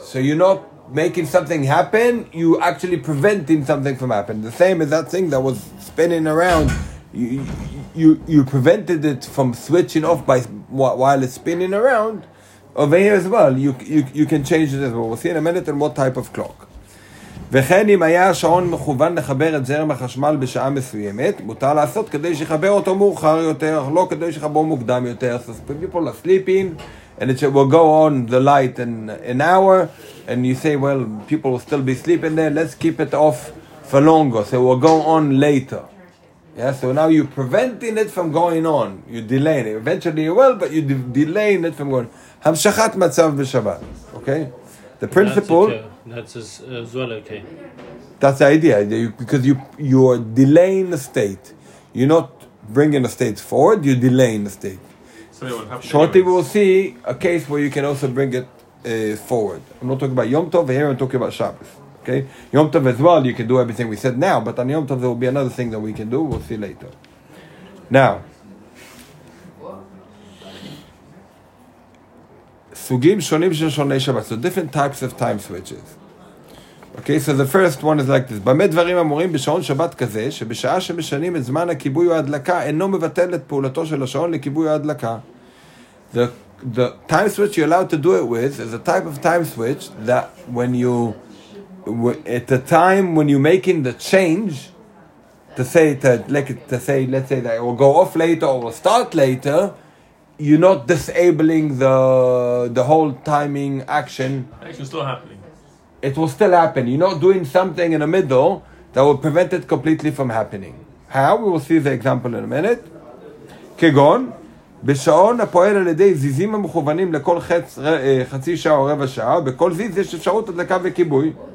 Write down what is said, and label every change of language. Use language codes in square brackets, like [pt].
[en] So you're not making something happen, you're actually preventing something from happening. The same as that thing that was spinning around. You prevented it from switching off by while it's spinning around. Over here as well, you can change it as well. We'll see in a minute on what type of clock. [he] וכן אם היה השעון מכוון לחבר את זרם החשמל בשעה מסוימת, מותר לעשות כדי שיחבר אותו מאוחר יותר, לא כדי שיחבר מוקדם יותר. [en] So people are sleeping, and it will go on the light in an hour, and you say, well, people will still be sleeping there, let's keep it off for longer, so it will go on later. Yeah, so now you're preventing it from going on. You're delaying it. Eventually you will, but you're delaying it from going on. [he] המשכת מצב בשבת, [en] okay? The principle... That's as well, okay. That's the idea, because you are delaying the state. You're not bringing the state forward, you're delaying the state. Shortly we'll see a case where you can also bring it forward. I'm not talking about Yom Tov, here I'm talking about Shabbos, okay? Yom Tov as well, you can do everything we said now, but on Yom Tov there will be another thing that we can do, we'll see later. Now... [he] סוגים שונים של שעוני שבת. [en] So different types of time switches. Okay, so the first one is like this. [he] במה דברים אמורים בשעון שבת כזה, שבשעה שמשנים את זמן הכיבוי או הדלקה, אינו מבטל את פעולתו של השעון לכיבוי או הדלקה. [en] The time switch you're allowed to do it with is a type of time switch that when you, at the time when you're making the change, to say, let's say that it will go off later or will start later, you're not disabling the whole timing action. Action still happening. It will still happen. You're not doing something in the middle that will prevent it completely from happening. How? We will see the example in a minute. [he] כגון, בשעון הפועל על ידי זיזים המכוונים לכל חצי שעה או רבע שעה, בכל זיז יש אפשרות הדלקה וכיבוי.